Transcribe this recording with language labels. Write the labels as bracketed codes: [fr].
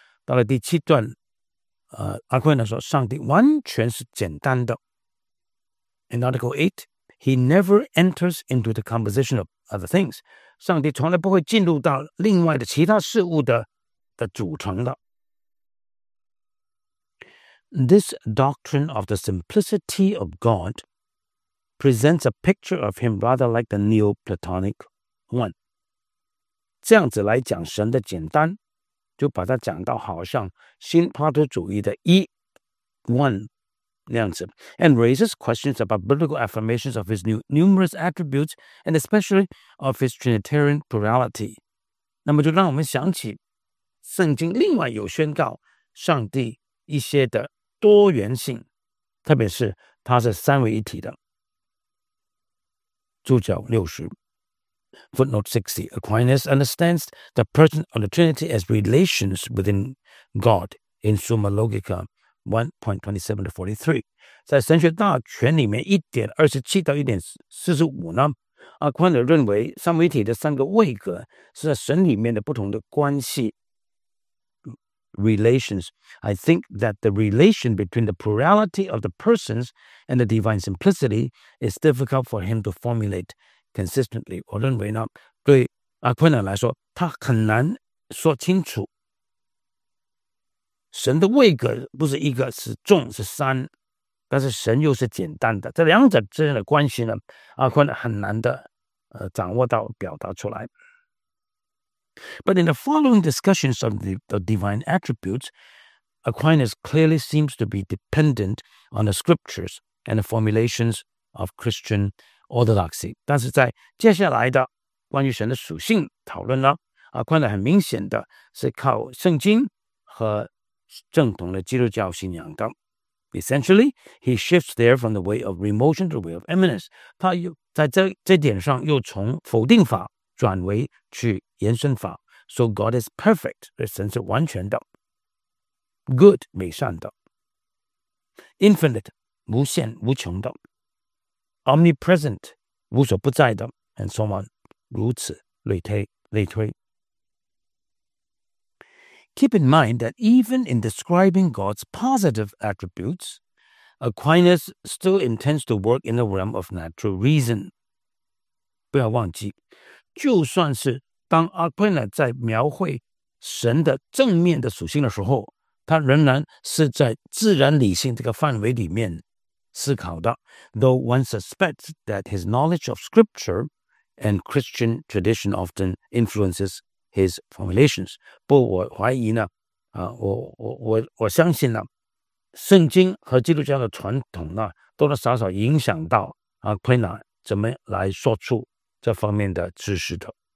[zh] 到了第七段Aquinas 说上帝完全是简单的。 [en] In Article 8, he never enters into the composition of other things. [zh] 上帝从来不会进入到另外的其他事物 的组成的。 [en] This doctrine of the simplicity of God presents a picture of him rather like the Neoplatonic one. [zh] 这样子来讲神的简单就把它讲到好像新柏拉图主义的一 one 那样子 [en] and raises questions about biblical affirmations of his numerous attributes and especially of his Trinitarian plurality. [zh] 那么就让我们想起圣经另外有宣告上帝一些的多元性，特别是它是三位一体的。注脚60 [en] Footnote 60 Aquinas understands the person of the Trinity as relations within God in Summa Logica 1.27-43 [zh] 在神学大全里面 1.27-1.45 呢 Aquinas 认为三位一体的三个位格是在神里面的不同的关系 [en] Relations. I think that the relation between the plurality of the persons and the divine simplicity is difficult for him to formulate consistently. [zh] 我认为呢，对阿奎那来说，他很难说清楚神的位格不是一个是众是三，但是神又是简单的，这两者之间的关系呢，阿奎那很难的掌握到表达出来。 [en] But in the following discussions of the divine attributes, Aquinas clearly seems to be dependent on the scriptures and the formulations of Christian orthodoxy. [zh] 但是在接下来的关于神的属性讨论呢， Aquinas 很明显的是靠圣经和正统的基督教信仰的。 [en] Essentially, he shifts there from the way of remotion to the way of eminence. [zh] 他又在 这点上又从否定法转为去延伸法 [en] So God is perfect [zh] 神是完全的 [en] Good [zh] 美善的 [en] Infinite [zh] 无限无穷的 [en] Omnipresent [zh] 无所不在的 [en] And so on [zh] 如此类推 [en] Keep in mind that even in describing God's positive attributes Aquinas still intends to work in the realm of natural reason [zh] 不要忘记就算是当阿奎那在描绘神的正面的属性的时候他仍然是在自然理性这个范围里面思考的 [en] Though one suspects that his knowledge of scripture and Christian tradition often influences his formulations [zh] 不我怀疑呢、我相信呢圣经和基督教的传统呢多多少少影响到阿奎那怎么来说出这方面的知识的。